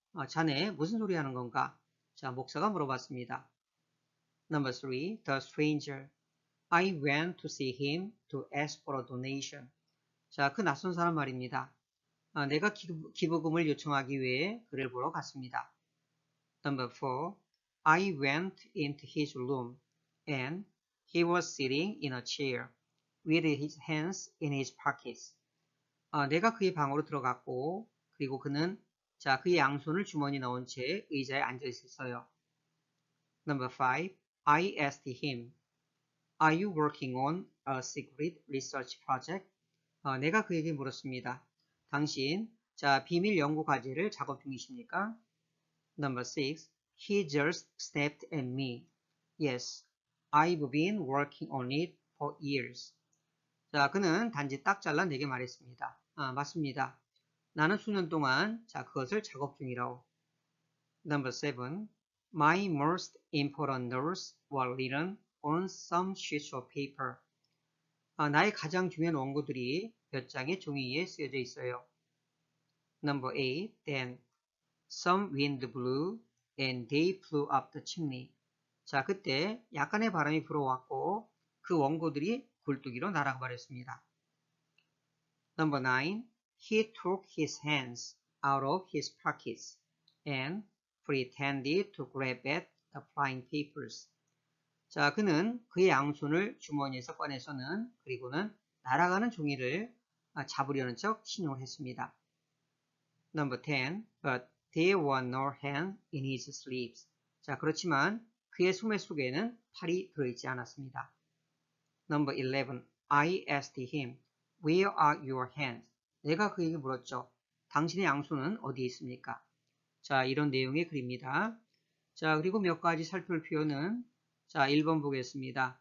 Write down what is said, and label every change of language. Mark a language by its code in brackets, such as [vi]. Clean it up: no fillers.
[ko] 자네 무슨 소리 하는 건가? 자, 목사가 물어봤습니다. [en] Number 3, the stranger. I went to see him to ask for a donation. [ko] 자, 그 낯선 사람 말입니다. 아, 내가 기부금을 요청하기 위해 그를 보러 갔습니다. [en] Number 4, I went into his room and he was sitting in a chair with his hands in his pockets. [ko] 아, 내가 그의 방으로 들어갔고, 그리고 그는 자, 그의 양손을 주머니 넣은 채 의자에 앉아 있었어요. [en] Number 5, I asked him, Are you working on a secret research project? [ko] 내가 그에게 물었습니다. 당신, 자, 비밀 연구 과제를 작업 중이십니까? [en] Number 6. He just snapped at me. Yes, I've been working on it for years. [ko] 자, 그는 단지 딱 잘라 내게 말했습니다. 아, 맞습니다. 나는 수년 동안, 자, 그것을 작업 중이라고. [en] Number 7. My most important notes were written on some sheets of paper. [ko] 아, 나의 가장 중요한 원고들이 몇 장의 종이에 쓰여져 있어요. [en] Number 8. Then, some wind blew and they flew up the chimney. [ko] 자, 그때 약간의 바람이 불어왔고 그 원고들이 굴뚝 위로 날아가 버렸습니다. [en] Number 9. He took his hands out of his pockets and pretended to grab at the flying papers. [ko] 자, 그는 그의 양손을 주머니에서 꺼내서는 그리고는 날아가는 종이를 잡으려는 척 신용을 했습니다. [en] Number 10. But there were no hands in his sleeves. [ko] 자, 그렇지만 그의 소매 속에는 팔이 들어있지 않았습니다. [en] Number 11. I asked him, Where are your hands? [ko] 내가 그에게 물었죠. 당신의 양손은 어디에 있습니까? 자, 이런 내용의 글입니다. 자, 그리고 몇 가지 살펴볼 표현은, 자, 1번 보겠습니다.